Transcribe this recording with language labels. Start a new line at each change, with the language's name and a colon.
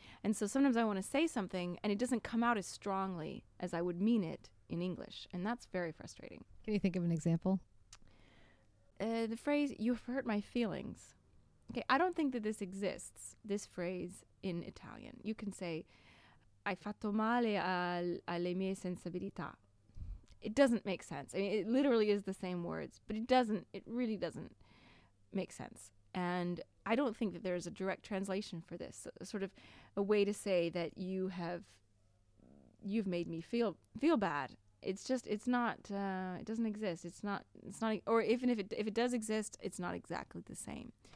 English: And so sometimes I want to say something and it doesn't come out as strongly as I would mean it in English. And that's very frustrating. Can you think of an example? The phrase, you've hurt my feelings. Okay, I don't think that this exists, this phrase in Italian. You can say,
Italian: hai fatto male alle mie sensibilità.
English: It doesn't make sense. I mean, it literally is the same words, but it really doesn't make sense. And I don't think that there is a direct translation for this, sort of a way to say that you've made me feel bad. It's just, it's not, it doesn't exist. Or if it does exist, it's not exactly the same.